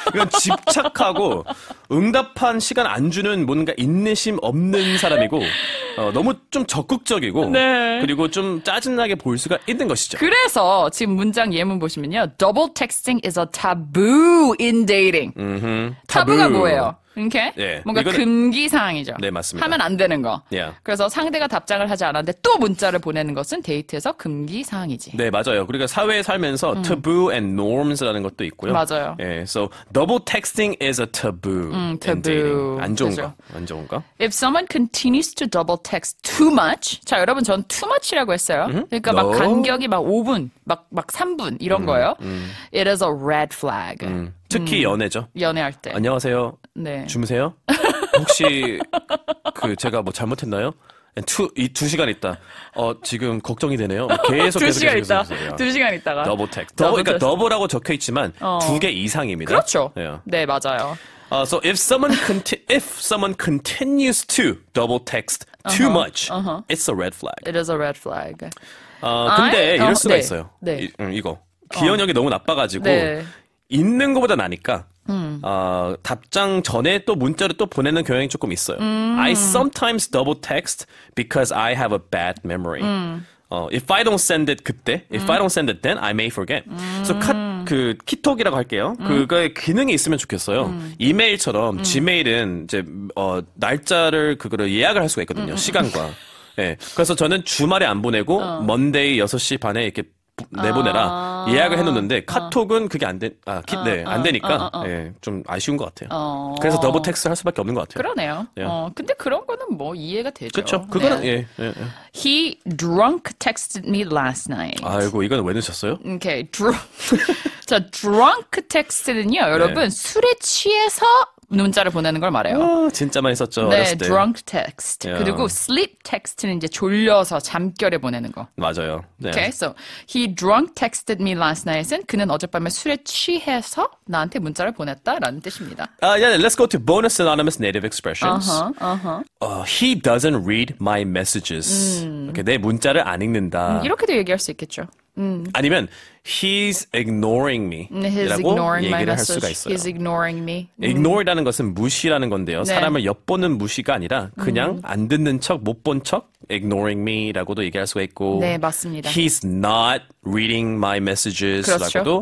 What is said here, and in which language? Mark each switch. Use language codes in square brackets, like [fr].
[ko] 이건 집착하고 응답한 시간 안 주는 뭔가 인내심 없는 사람이고 너무 좀 적극적이고 네. 그리고 좀 짜증나게 보일 수가 있는 것이죠. 그래서 지금 문장 예문 보시면요. [en] Double texting is a taboo in dating. [ko] 타부가 뭐예요? 이렇게 okay? 네, 뭔가 이거는, 금기 사항이죠. 네, 맞습니다. 하면 안 되는 거. [en] Yeah. [ko] 그래서 상대가 답장을 하지 않았는데 또 문자를 보내는 것은 데이트에서 금기 사항이지. 네, 맞아요. 그러니까 사회에 살면서 taboo and norms라는 것도 있고요. 맞아요. [en] 예, so double texting is a taboo. Taboo. [ko] 안 좋은 그렇죠. 거. 안 좋은 거. [en] If someone continues to double text too much, [ko] 자 여러분 전 too much라고 했어요. 그러니까 막 간격이 막 5분, 막 3분 이런 거예요. [en] It is a red flag. [ko] 특히 연애죠. 연애할 때. 안녕하세요. 네. 주무세요? 혹시 그 제가 뭐 잘못했나요? 이두 시간 있다. 지금 걱정이 되네요. 계속 있다. 두 시간 있다가. 더블 텍. 그러니까 더블라고 적혀 있지만 두개 이상입니다. 그렇죠. Yeah. 네, 맞아요. [en] So if someone continues to double text too much, it's a red flag. It is a red flag. [ko] 근데 이럴 수가 네. 있어요. 네. 이거 기억력이 너무 나빠가지고. 네. 있는 것보다 나니까 답장 전에 또 문자를 또 보내는 경향이 조금 있어요. [en] I sometimes double text because I have a bad memory. If I don't send it 그때, if I don't send it then, I may forget. [ko] So, 그 키톡이라고 할게요. 그거에 기능이 있으면 좋겠어요. 이메일처럼 지메일은 이제 날짜를 그거를 예약을 할 수가 있거든요. 시간과. 예. 네. 그래서 저는 주말에 안 보내고 먼데이 6시 반에 이렇게 내보내라 예약을 해놓는데 카톡은 그게 안 돼. 안 되니까 예. 좀 아쉬운 것 같아요. 그래서 더블 텍스트 할 수밖에 없는 것 같아요. 그러네요. 네. 근데 그런 거는 뭐 이해가 되죠. 그렇죠. 그거는 네. 예, 예, 예. [en] He drunk texted me last night. [ko] 아이고 이건 왜 넣으셨어요? Okay, drunk text는요, 여러분 네. 술에 취해서 문자를 보내는 걸 말해요. 진짜 많이 썼죠. 네, 어렸을 때. [en] drunk text. Yeah. [ko] 그리고 sleep text는 이제 졸려서 잠결에 보내는 거. 맞아요. 네. [en] Okay, so he drunk texted me last night [ko] 은 그는 어젯밤에 술에 취해서 나한테 문자를 보냈다라는 뜻입니다. [en] Yeah, let's go to bonus synonymous native expressions. He doesn't read my messages. [ko] Okay, 내 문자를 안 읽는다. 이렇게도 얘기할 수 있겠죠. [en] 아니면 he's ignoring me. He's [ko] 라고 [en] ignoring [ko] 얘기를 [en] my message. He's ignoring me. [ko] Ignore라는 것은 무시라는 건데요. 네. 사람을 엿보는 무시가 아니라 그냥 안 듣는 척, 못 본 척 ignoring me라고도 얘기할 수가 있고. 네, 맞습니다. [en] He's not reading my messages라고도